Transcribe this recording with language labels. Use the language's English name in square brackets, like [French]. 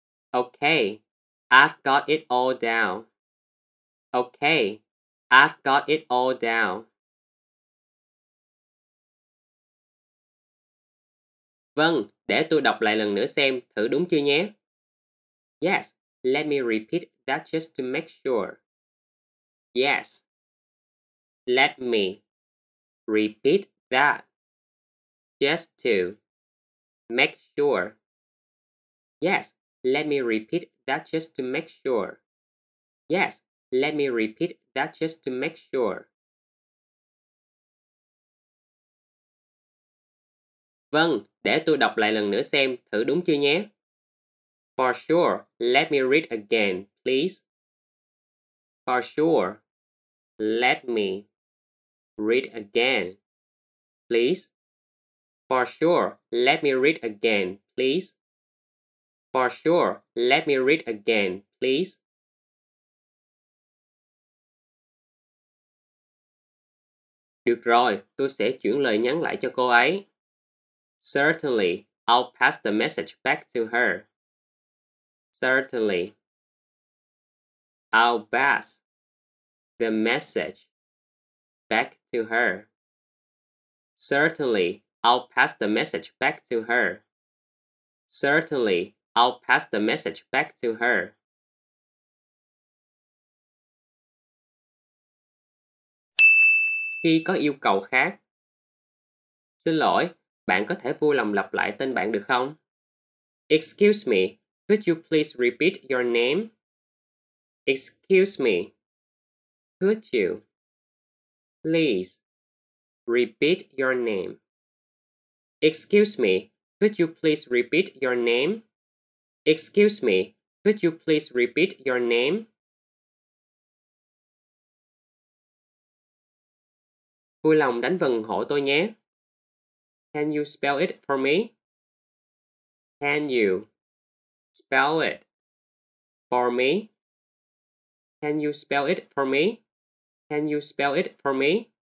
[English] Okay, I've got it all down. Okay, I've got it all down. [Vietnamese] Vâng, để tôi đọc lại lần nữa xem thử đúng chưa nhé. [English] Yes, let me repeat that just to make sure. Yes, let me repeat that just to make sure. Yes, let me repeat that just to make sure. Yes, let me repeat that just to make sure. [Vietnamese] Vâng, để tôi đọc lại lần nữa xem thử đúng chưa nhé. [English] For sure, let me read again, please. For sure. Let me read again, please. For sure, let me read again, please. For sure, let me read again, please. [Vietnamese] Được rồi, tôi sẽ chuyển lời nhắn lại cho cô ấy. [English] Certainly, I'll pass the message back to her. Certainly, I'll pass the message back to her. Certainly, I'll pass the message back to her. Certainly, I'll pass the message back to her. [Vietnamese] Khi có yêu cầu khác. Xin lỗi, bạn có thể vui lòng lặp lại tên bạn được không? [English] Excuse me, could you please repeat your name? Excuse me. Could you please repeat your name? Excuse me, could you please repeat your name? Excuse me, could you please repeat your name? [Vietnamese] Vui lòng đánh vần hộ tôi nhé. [English] Can you spell it for me? Can you spell it for me? Can you spell it for me? Can you spell it for me?